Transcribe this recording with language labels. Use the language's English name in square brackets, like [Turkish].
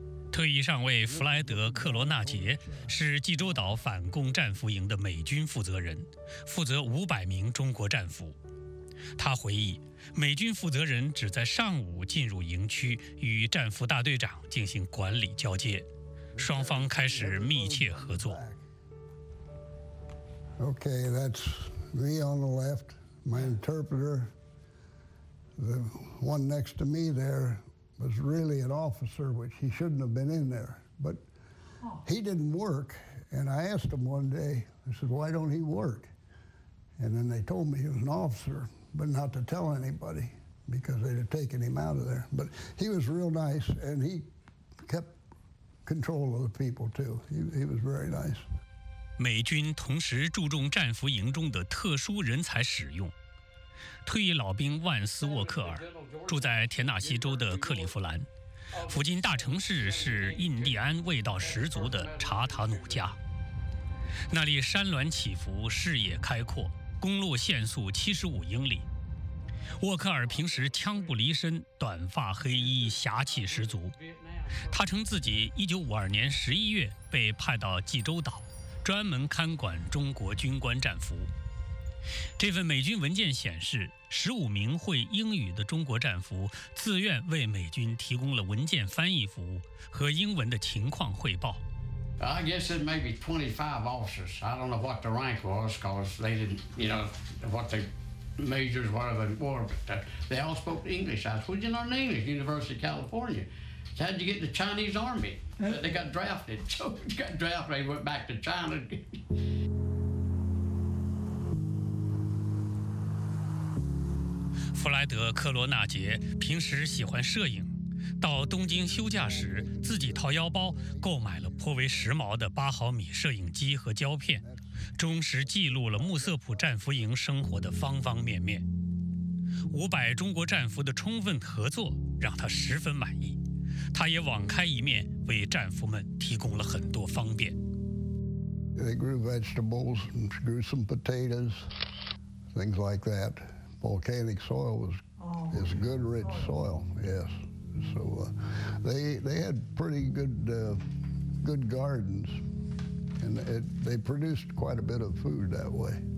[Chinese] 退役上尉弗莱德·克罗纳杰是济州岛反共战俘营的美军负责人，负责500名中国战俘。他回忆，美军负责人只在上午进入营区，与战俘大队长进行管理交接，双方开始密切合作。 [English] Okay, that's me on the left, my interpreter. The one next to me there was really an officer, which he shouldn't have been in there. But he didn't work, and I asked him one day, I said, why don't he work? And then they told me he was an officer, but not to tell anybody, because they'd have taken him out of there. But he was real nice, and he kept control of the people too. He was very nice. [Chinese] 美军同时注重战俘营中的特殊人才使用。退役老兵万斯·沃克尔住在田纳西州的克利夫兰，附近大城市是印第安味道十足的查塔努加。那里山峦起伏，视野开阔，公路限速75英里。沃克尔平时枪不离身，短发黑衣，侠气十足。他称自己1952年11月被派到济州岛，专门看管中国军官战俘。这份美军文件显示，15名会英语的中国战俘自愿为美军提供了文件翻译服务和英文的情况汇报。 [English] I guess it may be 25 officers. I don't know what the rank was, because they didn't, you know, what the majors, whatever it was, but they all spoke English. I said, "Who'd you learn English? University of California. So how'd you get in the Chinese army?" They got drafted. So they got drafted. They went back to China. [Chinese] 弗莱德·科罗纳杰平时喜欢摄影，到东京休假时自己掏腰包购买了颇为时髦的8毫米摄影机和胶片，忠实记录了穆瑟普战俘营生活的方方面面。 500中国战俘的充分合作让他十分满意，他也网开一面，为战俘们提供了很多方便。 [English] They grew vegetables and grew some potatoes, things like that. Volcanic soil is good rich soil, yes. So they had pretty good gardens, and they produced quite a bit of food that way.